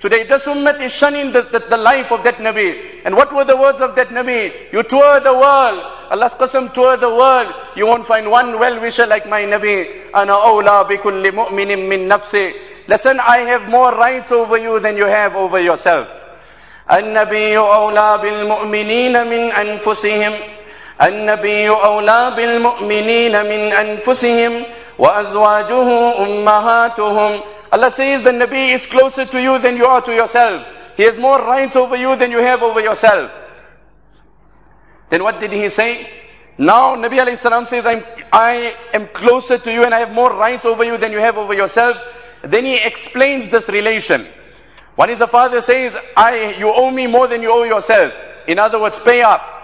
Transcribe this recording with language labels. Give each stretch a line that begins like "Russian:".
English: Today this ummat is shunning the life of that Nabi. And what were the words of that Nabi? You tour the world. Allah's Qasam, tour the world. You won't find one well-wisher like my Nabi.
Arabic: Ana awla bi kulli mu'minin min nafsi.
English: Listen, I have more rights over you than you have over yourself.
Arabic: النبي أولى بالمؤمنين من أنفسهم النبي أولى بالمؤمنين من أنفسهم وأزواجه أمهاتهم.
English: Allah says the Nabi is closer to you than you are to yourself. He has more rights over you than you have over yourself. Then what did he say? Now Nabi alayhi salam says I am closer to you and I have more rights over you than you have over yourself. Then he explains this relation. One is the father says, you owe me more than you owe yourself. In other words, pay up.